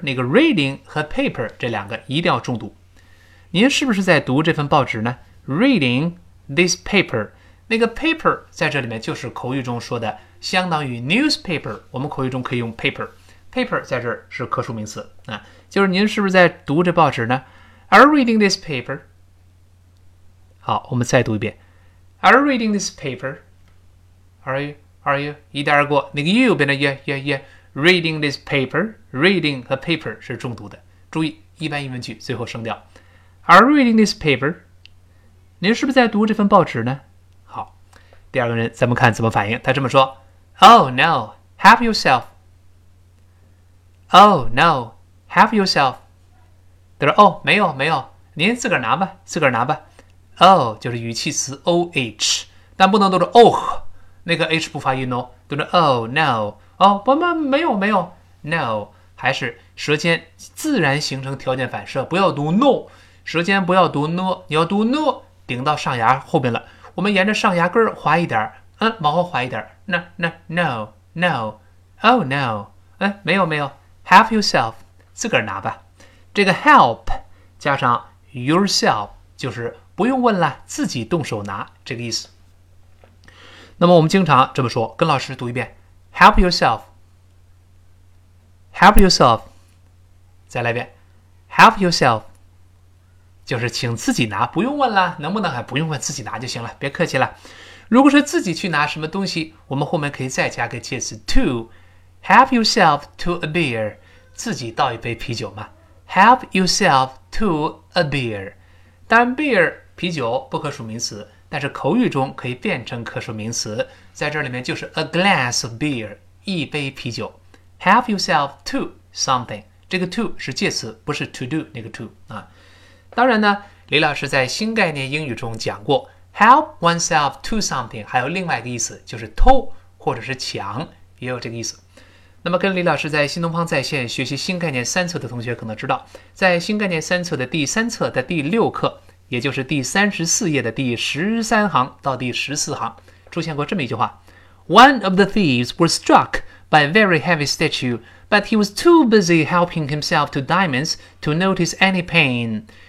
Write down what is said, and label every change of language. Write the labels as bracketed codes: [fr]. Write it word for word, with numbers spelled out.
[zh] 那个 reading 和 paper 这两个一定要重读。您是不是在读这份报纸呢？ [en] Reading this paper。 [zh] 那个 paper 在这里面就是口语中说的相当于 newspaper， 我们口语中可以用 paper， paper 在这儿是可数名词啊，就是您是不是在读这报纸呢？ [en] Are you reading this paper？ [zh] 好，我们再读一遍 [en] Are you reading this paper？ Are you Are you [zh] 一带而过，那个 [en] you 变成 yeah yeah yeah。 Reading this paper， reading 和 paper [zh] 是重读的。注意一般疑问句最后升调 [en] Are you reading this paper？ [zh] 您是不是在读这份报纸呢？第二个人咱们看怎么反应。 [en] 他这么说 Oh no, have yourself。 Oh no, have yourself。 [zh] 他说哦，没有没有，您自个儿拿吧，自个儿拿吧。Oh 就是语气词 oh， 但不能读成 oh， 那个 h 不发音哦，读成 oh no， 哦不没有没有 no， 还是舌尖自然形成条件反射，不要读 no， 舌尖不要读 no， 你要读 no 顶到上牙后边了，我们沿着上牙根滑一点，嗯，往后滑一点。那那 no no， oh no，哎，没有没有 [en] help yourself [zh] 自个儿拿吧。这个 help 加上 yourself 就是不用问了，自己动手拿这个意思。那么我们经常这么说，跟老师读一遍 [en] help yourself help yourself 再来一遍 help yourself [zh] 就是请自己拿，不用问了，能不能还不用问，自己拿就行了，别客气了。如果是自己去拿什么东西，我们后面可以再加个介词 to。 [en] Help yourself to a beer， [zh] 自己倒一杯啤酒嘛。 [en] Help yourself to a beer， [zh] 当然 beer 啤酒不可数名词，但是口语中可以变成可数名词，在这里面就是 [en] a glass of beer， [zh] 一杯啤酒。 [en] Help yourself to something， 这个 to [zh] 是介词，不是 [en] to do 那个 to 啊。 [zh] 当然呢，李老师在新概念英语中讲过，help oneself to something 还有另外一个意思，就是偷或者是抢，也有这个意思。那么跟李老师在新东方在线学习新概念三册的同学可能知道，在新概念三册的第三册的第六课，也就是第三十四页的第十三行到第十四行，出现过这么一句话， [en] One of the thieves was struck by a very heavy statue, but he was too busy helping himself to diamonds to notice any pain。